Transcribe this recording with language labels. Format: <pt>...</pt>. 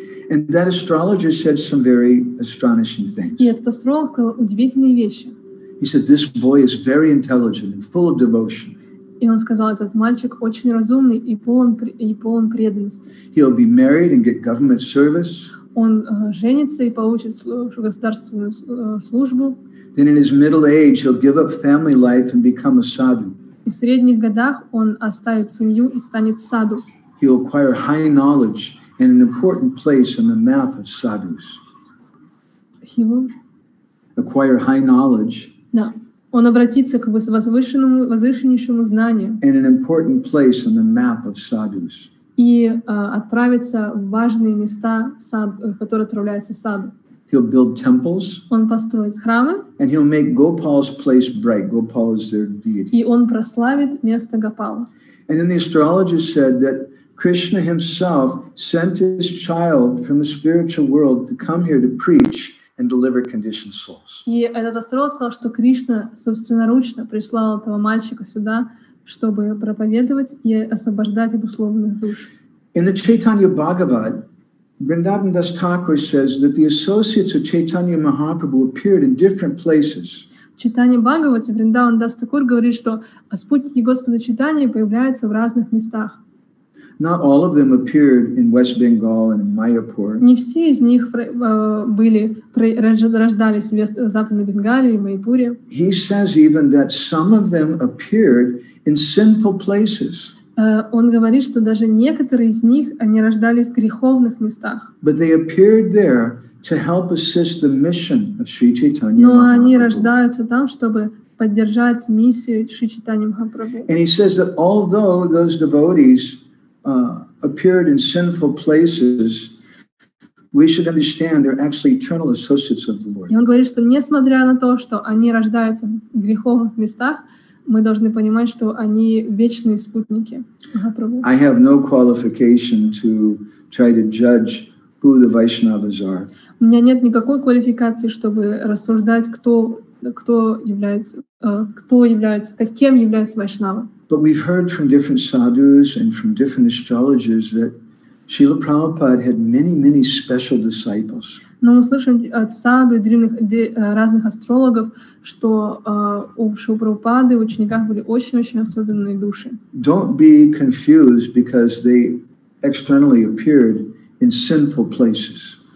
<en>And that astrologer said some very astonishing things.</en> <ru>И этот астролог сказал удивительные вещи.</ru> <en>He said, this boy is very intelligent and full of devotion.</en> <ru>И он сказал, этот мальчик очень разумный и полон преданности.</ru> <en>He'll be married and get government service.</en> <ru>Он женится и получит государственную службу.</ru> <en>Then in his middle age, he'll give up family life and become a sadhu.</en> <ru>И в средних годах он оставит семью и станет саду.</ru> <en>He'll acquire high knowledge and an important place on the map of sadhus. He will acquire high knowledge.</en> <ru>Да. Он обратится к возвышеннейшему знанию.</ru> <en>And an important place on the map of sadhus.</en> <ru>И отправится в важные места, которые отправляются саду.</ru> <en>He'll build temples.</en> <ru>Он построит храмы.</ru> <en>And he'll make Gopal's place bright. Gopal is their deity.</en> <ru>И он прославит место Гопала.</ru> <en>And then the astrologer said that Krishna himself sent his child from the spiritual world to come here to preach and deliver conditioned souls.</en> <ru>И этот астролог сказал, что Кришна собственноручно прислал этого мальчика сюда, чтобы проповедовать и освобождать обусловленных душ.</ru> <en>In the Chaitanya Bhagavad, Vrindavan Das Thakur says that the associates of Chaitanya Mahaprabhu appeared in different places.</en> <ru>Читание Бхагавати, Вриндаван Дас Такур говорит, что спутники Господа Читания появляются в разных местах.</ru> <en>Not all of them appeared in West Bengal and Mayapur.</en> <ru>Не все из них рождались в Западной Бенгалии и Майпуре.</ru> <en>He says even that some of them appeared in sinful places.</en> <ru>Он говорит, что даже некоторые из них они рождались в греховных местах.</ru> <en>But they appeared there to help assist the mission of Sri Chaitanya Mahaprabhu.</en> <ru>Но они рождаются там, чтобы поддержать миссию Шри Чайтаньи Махапрабху.</ru> <en>And he says that although those devotees appeared in sinful places, we should understand they're actually eternal associates of the Lord.</en> <ru>И он говорит, что несмотря на то, что они рождаются в греховных местах, мы должны понимать, что они вечные спутники Махапрабху.</ru> <en>I have no qualification to try to judge who the Vaishnavas are.</en> <ru>У меня нет никакой квалификации, чтобы рассуждать, кто является Вайшнава.</ru> <en>But we've heard from different sadhus and from different astrologers that Srila Prabhupada had many, many special disciples.</en> <ru>Но мы слышим от саду и древних разных астрологов, что у Шрилы Прабхупады в учениках были очень-очень особенные души.</ru> <en>Don't be confused because they externally appeared in sinful places.</en>